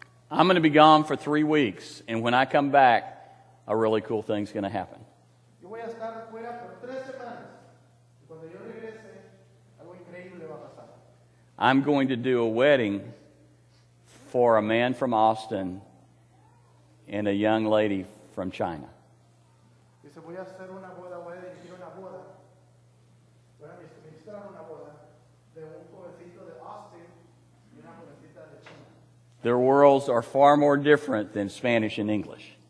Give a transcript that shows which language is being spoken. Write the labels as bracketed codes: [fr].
[en] I'm going to be gone for 3 weeks, and when I come back, a really cool thing's going to happen. [es] Estar fuera por 3 semanas. Cuando yo regrese, algo increíble va a pasar. [en] I'm going to do a wedding for a man from Austin and a young lady from China. Their worlds are far more different than Spanish and English.